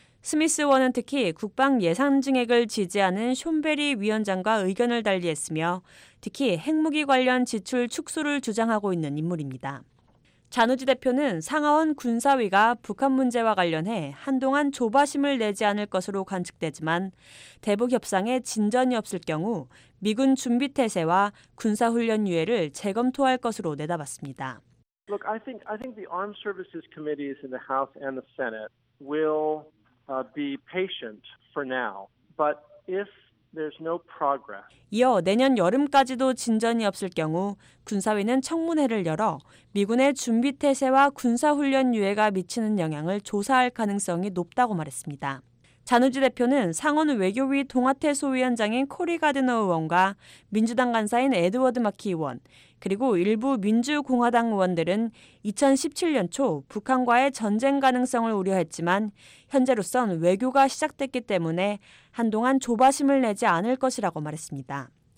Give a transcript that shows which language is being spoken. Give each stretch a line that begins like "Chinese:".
Korean: 스미스 의원은 특히 국방 예산 증액을 지지하는 숀 베리 위원장과 의견을 달리했으며 특히 핵무기 관련 지출 축소를 주장하고 있는 인물입니다. 잔우지 대표는 상하원 군사위가 북한 문제와 관련해 한동안 조바심을 내지 않을 것으로 관측되지만 대북 협상에 진전이 없을 경우 미군 준비태세와 군사훈련 유예를 재검토할 것으로 내다봤습니다.
English: Look, I think the Armed Services Committees in the House and the Senate will be patient for now. But if there's no progress.
Korean: 이어 내년 여름까지도 진전이 없을 경우 군사위는 청문회를 열어 미군의 준비 태세와 군사 훈련 유예가 미치는 영향을 조사할 가능성이 높다고 말했습니다. 잔우지 대표는 상원 외교위 동아태 소위원장인 코리 가드너 의원과 민주당 간사인 에드워드 마키 의원, 그리고 일부 민주공화당 의원들은 2017년 초 북한과의 전쟁 가능성을 우려했지만 현재로선 외교가 시작됐기 때문에 한동안 조바심을 내지 않을 것이라고 말했습니다.